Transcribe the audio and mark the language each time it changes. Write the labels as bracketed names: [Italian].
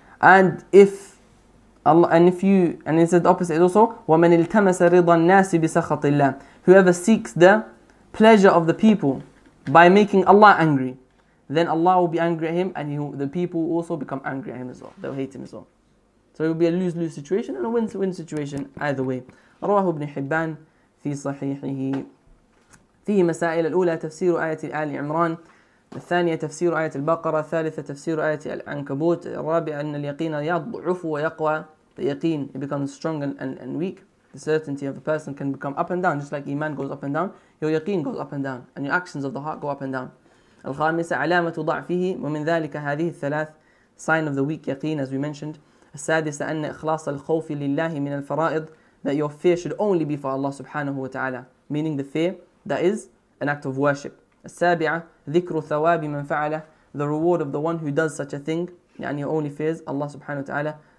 [English] And if Allah, and if you, and it said the opposite also, [Arabic] وَمَنْ إِلْتَمَسَ رِضَ النَّاسِ بِسَخَطِ اللَّهِ [English] Whoever seeks the pleasure of the people by making Allah angry. Then Allah will be angry at him and the people will also become angry at him as well. They'll hate him as well. So it will be a lose-lose situation and a win-win situation either way. [Arabic] رواه ابن حبان في صحيحه في مسائل الأولى تفسير آية آل عمران الثانية تفسير آية البقرة الثالثة تفسير آية العنكبوت الرابعة أن اليقين يضعف ويقوى [English] The yaqeen becomes strong and weak. The certainty of a person can become up and down. Just like iman goes up and down, your yaqeen goes up and down. And your actions of the heart go up and down. [Arabic] الخامسة علامة ضعفه ومن ذلك هذه الثلاث [English] sign of the weak yaqeen as we mentioned [Arabic] السادسة أن إخلاص الخوف لله من الفرائض [English] that your fear should only be for Allah subhanahu wa ta'ala meaning the fear that is an act of worship [Arabic] السابعة ذكر ثواب من فعله [English] the reward of the one who does such a thing يعني only fears Allah subhanahu wa ta'ala